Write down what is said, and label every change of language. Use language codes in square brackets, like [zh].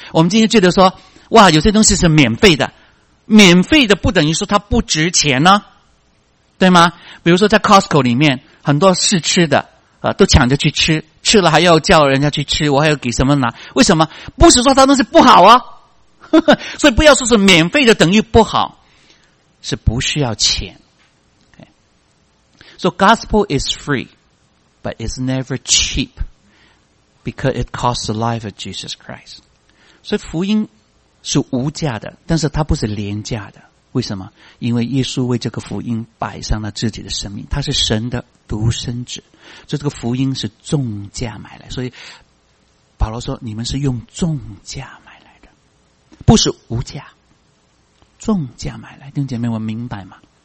[zh] 我们今天觉得说，哇，有些东西是免费的，免费的不等于说它不值钱呢，对吗？比如说在 Costco 里面，很多试吃的啊，都抢着去吃，吃了还要叫人家去吃，我还要给什么拿？为什么？不是说它东西不好啊，所以不要说是免费的等于不好，是不需要钱。 [en] So gospel is free, but it's never cheap because it costs the life of Jesus Christ. [zh] 所以福音是无价的，但是它不是廉价的。为什么？因为耶稣为这个福音摆上了自己的生命，他是神的独生子，所以这个福音是重价买来。所以保罗说，你们是用重价买来的，不是无价，重价买来。弟兄姐妹，我明白吗？